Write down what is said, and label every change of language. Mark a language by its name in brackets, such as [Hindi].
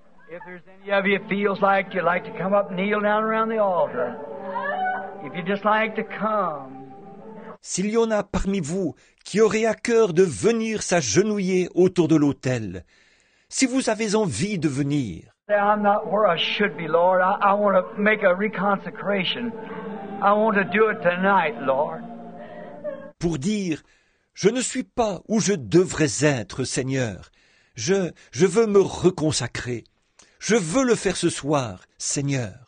[English] If there's any of you feels like you'd like to come up and kneel down around the altar. If you'd just like to come. [French] S'il y en a parmi vous qui auraient à cœur de venir s'agenouiller autour de l'autel, si vous avez envie de venir, [English] I'm not where I should be, Lord. I want to make a reconsecration. I want to do it tonight, Lord. [French] Pour dire, je ne suis pas où je devrais être, Seigneur. Je veux me reconsacrer. Je veux le faire ce soir, Seigneur.